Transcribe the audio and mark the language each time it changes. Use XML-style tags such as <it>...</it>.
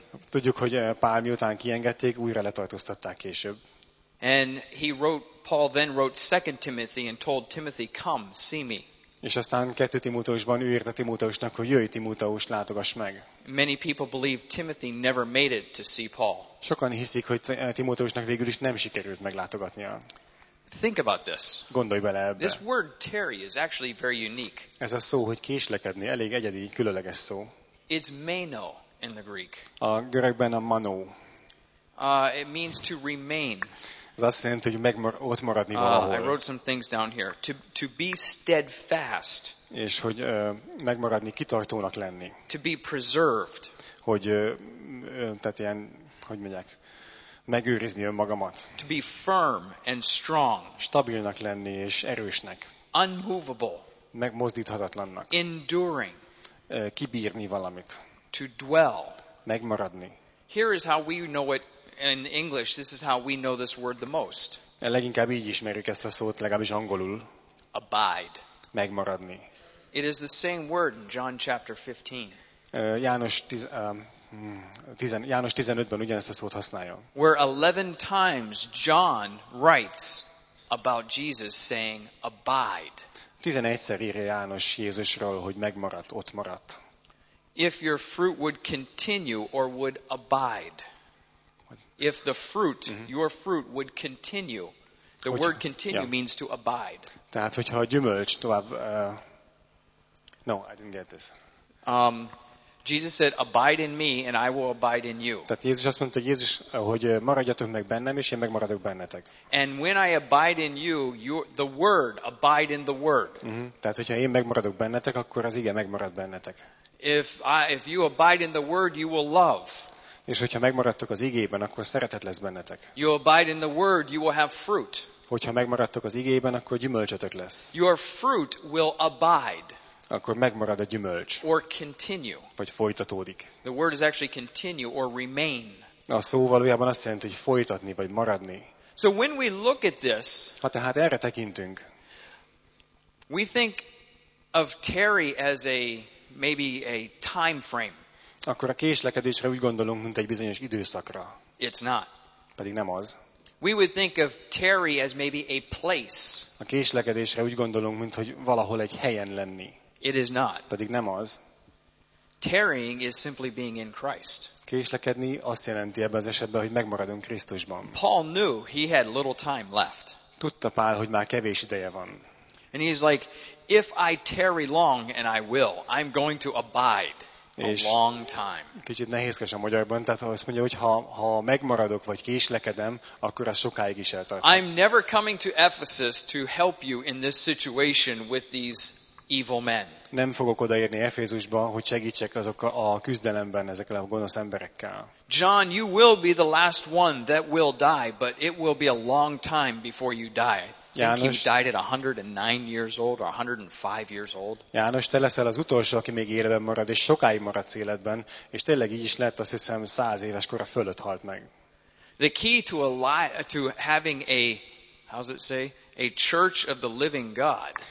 <hu>Tudjuk, hogy Pál miután kiengedték, újra letartóztatták később.</hu> <en>And he wrote, Paul then wrote 2 Timothy and told Timothy, come, see me.</en> <hu>És aztán 2 Timóteusban ő írt a Timóteusnak, hogy jöjj Timóteus, látogass meg.</hu> <en>Many people believe Timothy never made it to see Paul.</en> <hu>Sokan hiszik, hogy Timóteusnak végül is nem sikerült meglátogatnia.</hu> <en>Think about this.</en> <hu>Gondolj bele ebbe.</hu> <en>This word tarry is actually very unique.</en> <hu>Ez a szó, hogy késlekedni, elég egyedi, különleges szó.</hu> <en>It's meno in the Greek.</en> <hu>A görögben a mano.</hu> <en>It means to remain.</en> <hu>Ez azt jelenti, hogy ott maradni valahol.</hu> <en>I wrote some things down here. To be steadfast.</en> <hu>És hogy megmaradni, kitartónak lenni.</hu> <en>To be preserved.</en> <hu>Hogy tehát ilyen, hogy mondják, megőrizni önmagamat.</hu> <en>To be firm and strong.</en> <hu>Stabilnak lenni és erősnek.</hu> <en>Unmovable.</en> <hu>Megmozdíthatatlannak.</hu> <en>Enduring.</en> <hu>Kibírni valamit.</hu> <en>To dwell.</en> <hu>Megmaradni.</hu> <en>Here is how we know it in English. This is how we know this word the most.</en> <hu>Leginkább így ismerjük ezt a szót, legalábbis angolul.</hu> <en>Abide.</en> <hu>Megmaradni.</hu> <en>It is the same word in John chapter 15.</en> <hu>János 15-ben ugyanezt a szót használja.</hu> <en>Where 11 times John writes about Jesus saying abide.</en> <hu>11-szer írja János Jézusról, hogy megmaradt, ott maradt.</hu> <en>If your fruit would continue or would abide. If the fruit, your fruit would continue. The word continue means to abide.</en> <hu>Tehát, hogyha a gyümölcs tovább...</hu> <en>No, I didn't get this. Jesus said, abide in me and I will abide in you.</en> <hu>Tehát Jézus azt mondta, Jézus, hogy maradjatok meg bennem, és én megmaradok bennetek.</hu> <en>And when I abide in you, the word, abide in the word.</en> <hu>Tehát, hogyha én megmaradok bennetek, akkor az ige megmarad bennetek.</hu> <en>If you abide in the word, you will love.</en> <hu>És hogyha megmaradtok az igében, akkor szeretet lesz bennetek.</hu> <en>You abide in the word, you will have fruit.</en> <hu>Hogyha megmaradtok az igében, akkor gyümölcsötök lesz.</hu> <en>Your fruit will abide.</en> <hu>Akkor megmarad a gyümölcs.</hu> <en>Or continue.</en> <hu>Vagy folytatódik.</hu> <en>The word is actually continue or remain.</en> <hu>A szó valójában azt jelenti, hogy folytatni vagy maradni.</hu> <en>So when we look at this,</en> <hu>ha tehát erre tekintünk,</hu> <en>we think of Terry as a maybe a time frame.</en> <hu>Akkor a késlekedésre úgy gondolunk, mint egy bizonyos időszakra.</hu> <en>It's not.</en> <hu>Pedig nem az.</hu> <en>We would think of Terry as maybe a place.</en> <hu>A késlekedésre úgy gondolunk, mint hogy valahol egy helyen lenni.</hu> <en>It is not.</en> <hu>Pedig nem az.</hu> <en>Tarrying is simply being in Christ.</en> <hu>Késlekedni azt jelenti ebben az esetben, hogy megmaradunk Krisztusban.</hu> <en>Paul knew he had little time left.</en> <hu>Tudta Pál, hogy már kevés ideje van.</hu> <en>And he's like, if I tarry long, and I will, I'm going to abide a long time.</en> <hu>Kicsit nehézkes a magyarban, tehát azt mondja, hogy ha megmaradok vagy késlekedem, akkor az sokáig is eltart.</hu> <en>I'm never coming to Ephesus to help you in this situation with these evil men.</en> <hu>Nem fogok odaérni Efézusba, hogy segítsek azok a küzdelemben ezekkel a gonosz emberekkel.</hu> <en>John, you will be the last one that will die, but it will be a long time before you die.</en> <hu>János,</hu> <en>he died at 109 years old or 105 years old.</en> <hu>János, te leszel az utolsó, aki még életben marad, és sokáig maradsz életben, és tényleg így is lett, azt hiszem, 100 éves kora fölött halt meg.</hu> <en>The key to having a, how's it say, a church of the living God.</en>